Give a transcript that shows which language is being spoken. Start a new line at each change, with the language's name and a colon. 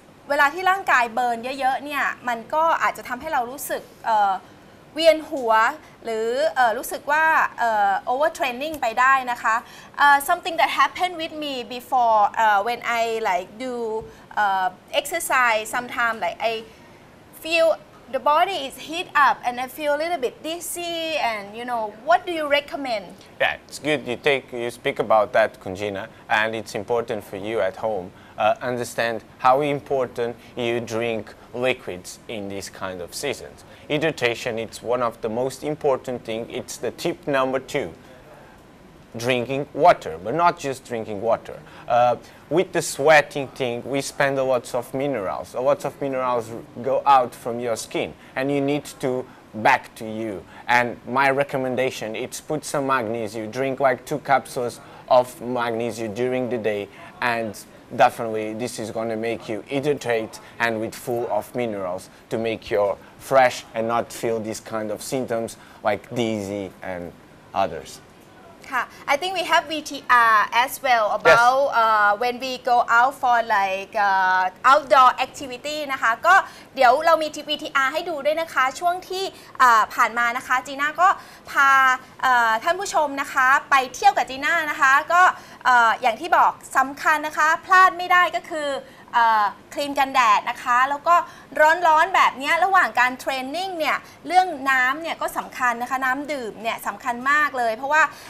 Thai: เวลาที่ร่างกายเบิร์นเยอะๆเนี่ยมันก็อาจจะทำให้เรารู้สึก เวียนหัวหรือ รู้สึกว่า
English: over training
Thai: ไปได้นะคะ
English: something that happened with me before when I like do exercise sometime like I feelThe body is heat up and I feel a little bit dizzy and you know, what do you recommend? Yeah, it's good you speak about that, Kun Jin, and it's important for you at home understand how important you drink liquids in these kind of seasons. Hydration is one of the most important thing. It's the tip number two, drinking water, but not just drinking water. With the sweating thing, we spend a lot of minerals. A lot of minerals go out from your skin, and you need to back to you. And my recommendation is put some magnesium. Drink like 2 capsules of magnesium during the day, and definitely this is going to make you hydrate and with full of minerals to make you fresh and not feel these kind of symptoms like dizzy and others. I think we have VTR as well about when we go out for like outdoor activity
Thai: นะคะก็เดี๋ยวเรามีทีวีทีอาร์ให้ดูด้วยนะคะช่วงที่ผ่านมานะคะจีน่าก็พาท่านผู้ชมนะคะไปเที่ยวกับจีน่านะคะก็อย่างที่บอกสำคัญนะคะพลาดไม่ได้ก็คือครีมกันแดดนะคะแล้วก็ร้อนๆแบบนี้ระหว่างการเทรนนิ่งเนี่ยเรื่องน้ำเนี่ยก็สำคัญนะคะน้ำดื่มเนี่ยสำคัญมากเลยเพราะว่า